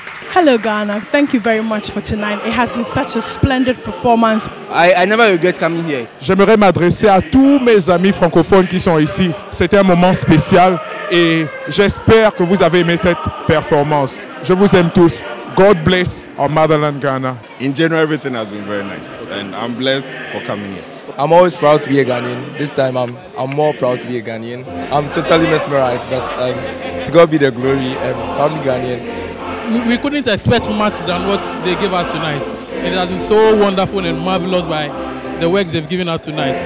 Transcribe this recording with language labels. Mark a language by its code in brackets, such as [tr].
[en] Hello Ghana, thank you very much for tonight. It has been such a splendid performance. I never regret coming here. [fr] J'aimerais m'adresser à tous mes amis francophones qui sont ici. C'était un moment spécial et j'espère que vous avez aimé cette performance. Je vous aime tous. [en] God bless our motherland Ghana. In general, everything has been very nice and I'm blessed for coming here. I'm always proud to be a Ghanaian. This time I'm more proud to be a Ghanaian. I'm totally mesmerized, but to God be the glory, I'm proudly Ghanaian. We couldn't expect much than what they gave us tonight. It has been so wonderful and marvelous by the work they've given us tonight.